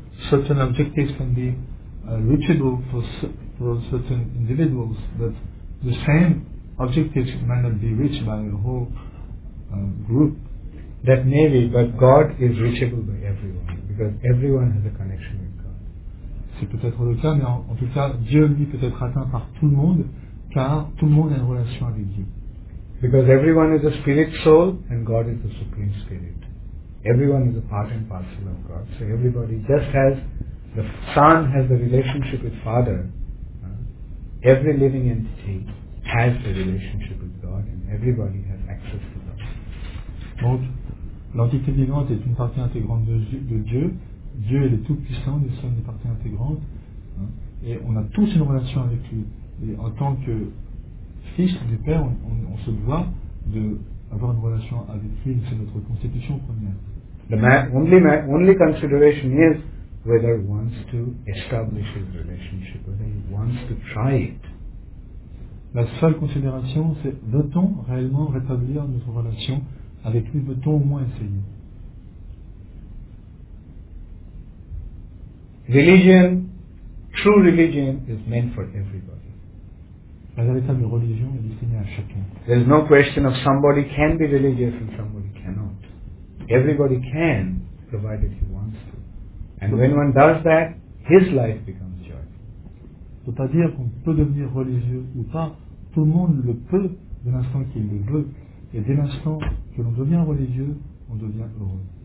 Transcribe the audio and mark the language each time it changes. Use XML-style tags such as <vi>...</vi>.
<en>Certain objectives can be reachable for certain individuals, but the same objectives may not be reached by a whole group. That may be, but God is reachable by everyone, because everyone has a connection with God.</en> <fr>C'est peut-être le cas, mais en tout cas, Dieu lui peut être atteint par tout le monde, car tout le monde a une relation avec Dieu.</fr> <en>Because everyone is a spirit soul and God is the Supreme Spirit. Everyone is a part and parcel of God. So everybody just has, the Son has the relationship with Father. Every living entity has the relationship with God and everybody has access to God.</en> <fr>Donc, l'entité vivante est une partie intégrante de Dieu. Dieu est le Tout-Puissant, nous sommes des parties intégrantes. Et on a tous une relation avec lui. Et en tant que fils du Père, on se doit d'avoir une relation avec lui, c'est notre constitution première.</fr> <en>The only consideration is whether he wants to establish his relationship, whether he wants to try it.</en> <fr>La seule considération, c'est veut-on réellement rétablir notre relation avec lui, veut-on au moins essayer.</fr> <en>Religion True religion is meant for everybody.</en> <fr>La véritable religion est destinée à chacun.</fr> <en>There is no question of somebody can be religious and somebody cannot. Everybody can, provided he wants to. And when one does that, his life becomes joyful.</en> <fr>C'est-à-dire qu'on peut devenir religieux ou pas, tout le monde le peut de l'instant qu'il le veut. Et dès l'instant que l'on devient religieux, on devient heureux.</fr>